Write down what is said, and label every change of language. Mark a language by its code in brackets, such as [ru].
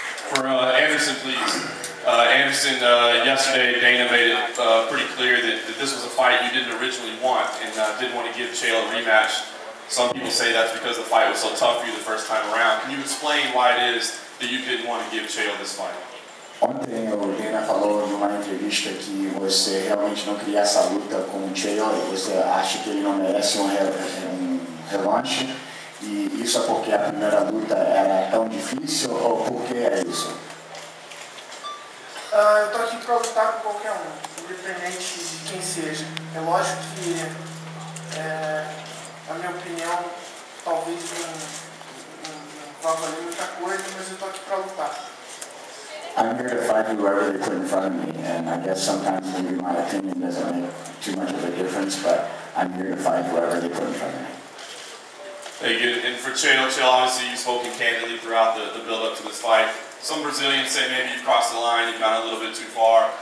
[en] For Anderson, please. Anderson, yesterday Dana made it pretty clear that this was a fight you didn't originally want and didn't want to give Chael a rematch. Some people say that's because the fight was so tough for you the first time around. Can you explain why it is that you didn't want to give Chael this fight? [pt] Ontem o Dana falou numa entrevista que você realmente não queria essa luta com o Chael e você acha que ele não merece revanche. E isso é porque a primeira luta era tão difícil ou por que é isso? Eu tô aqui para lutar com qualquer um, independente de quem seja. É lógico que, na minha opinião, talvez não vá valer muita coisa, mas eu tô aqui para lutar. [en] I'm here to fight whoever they put in front of me, and I guess sometimes maybe my opinion doesn't make too much of a difference, but I'm here to fight whoever they put in front of me. Thank you. And for Chael, obviously you've spoken candidly throughout the build-up to this fight. Some Brazilians say maybe you've crossed the line, you've gone a little bit too far.